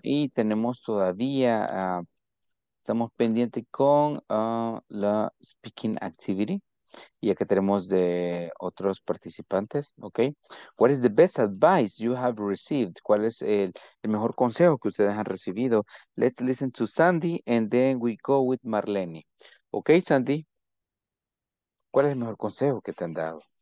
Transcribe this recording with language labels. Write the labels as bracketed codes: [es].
[es] Y tenemos todavía, estamos pendiente con la speaking activity. Y acá tenemos de otros participantes. Okay. [en] What is the best advice you have received? [es] ¿Cuál es el mejor consejo que ustedes han recibido? [en] Let's listen to Sandy and then we go with Marlene. Okay, Sandy. [es] ¿Cuál es el mejor consejo que te han dado?